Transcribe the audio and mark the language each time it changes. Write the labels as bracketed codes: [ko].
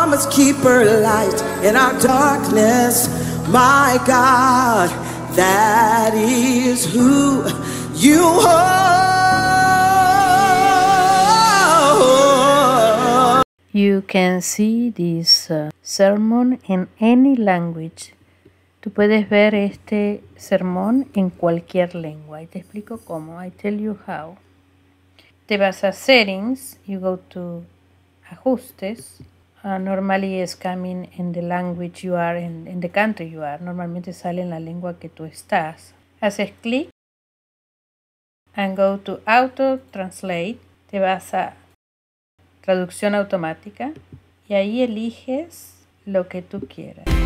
[en] Keeper light in our darkness, my God, that is who you are. You can see this sermon in any language. [es] Tú puedes ver este sermón en cualquier lengua. Y te explico cómo. [en] I tell you how. [es] Te vas a settings, [en] you go to [es] ajustes. [en] Normally it's coming in the language you are, in the country you are. [es] Normalmente sale en la lengua que tú estás. Haces clic [en] and go to auto translate. [es] Te vas a traducción automática y ahí eliges lo que tú quieras.